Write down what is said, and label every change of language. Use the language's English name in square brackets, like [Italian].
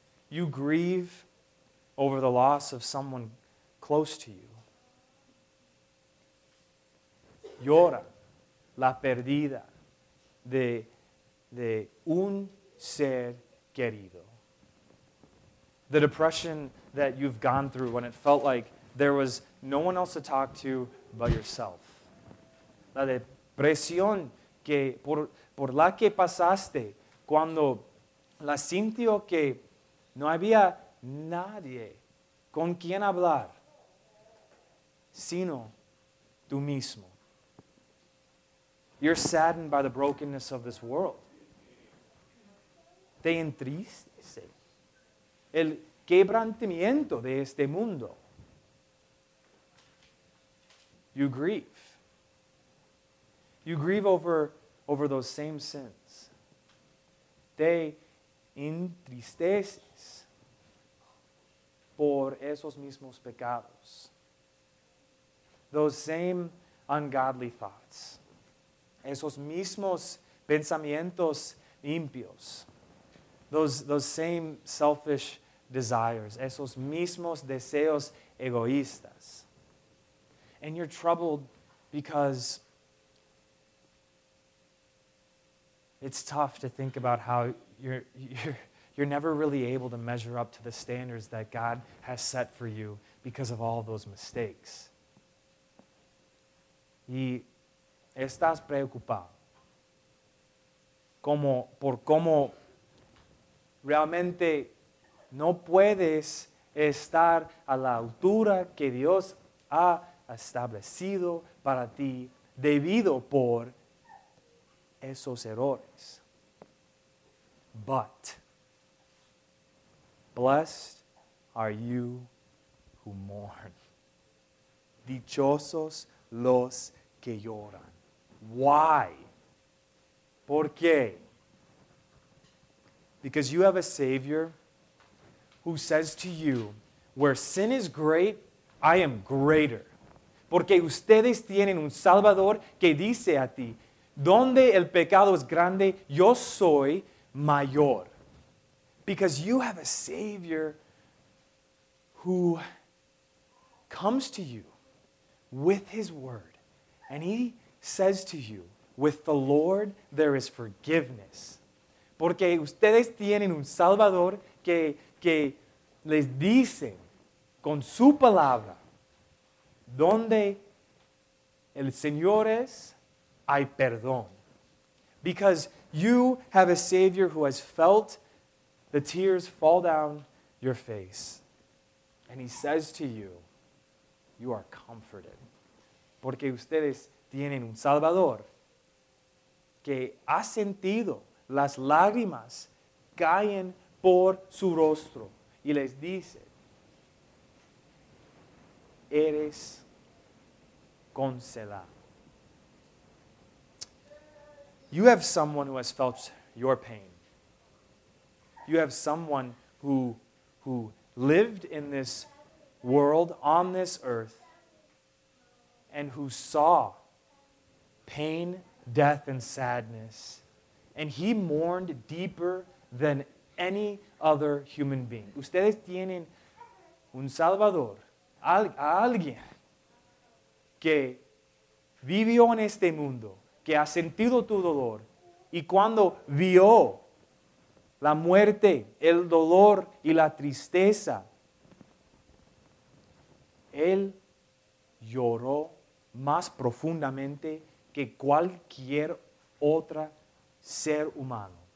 [English] You grieve over the loss of someone close to you. [Spanish] Llora la pérdida de un ser querido. [English] The depression that you've gone through when it felt like there was no one else to talk to but yourself. [Spanish] La depresión que por la que pasaste cuando la sintió que no había nadie con quien hablar sino tú mismo. [English] You're saddened by the brokenness of this world. [Spanish] Te entristece el quebrantamiento de este mundo. [English] You grieve. You grieve over those same sins. [Spanish] Te entristeces por esos mismos pecados. [English] Those same ungodly thoughts. [Spanish] Esos mismos pensamientos impios. [English] Those same selfish desires, [Spanish] esos mismos deseos egoístas. [English] And you're troubled because it's tough to think about how you're never really able to measure up to the standards that God has set for you because of all those mistakes. [Spanish] Y estás preocupado como por cómo realmente no puedes estar a la altura que Dios ha establecido para ti debido por esos errores. [English] But blessed are you who mourn. [Spanish] Dichosos los que lloran. [English] Why? [Spanish] ¿Por qué? [English] Because you have a Savior who says to you, where sin is great, I am greater. [Spanish] Porque ustedes tienen un Salvador que dice a ti, donde el pecado es grande, yo soy mayor. [English] Because you have a Savior who comes to you with His Word, and He says to you, with the Lord there is forgiveness. [Spanish] Porque ustedes tienen un Salvador que les dice con su palabra donde el Señor es, hay perdón. [English] Because you have a Savior who has felt the tears fall down your face. And he says to you, you are comforted. [Spanish] Porque ustedes tienen un Salvador que ha sentido las lágrimas caen por su rostro y les dice, eres consolado. [English] You have someone who has felt your pain. You have someone who lived in this world, on this earth, and who saw pain, death, and sadness. And he mourned deeper than any other human being. [Spanish] Ustedes tienen un Salvador, alguien que vivió en este mundo, que ha sentido tu dolor, y cuando vio la muerte, el dolor y la tristeza, él lloró más profundamente que cualquier otra ser humano.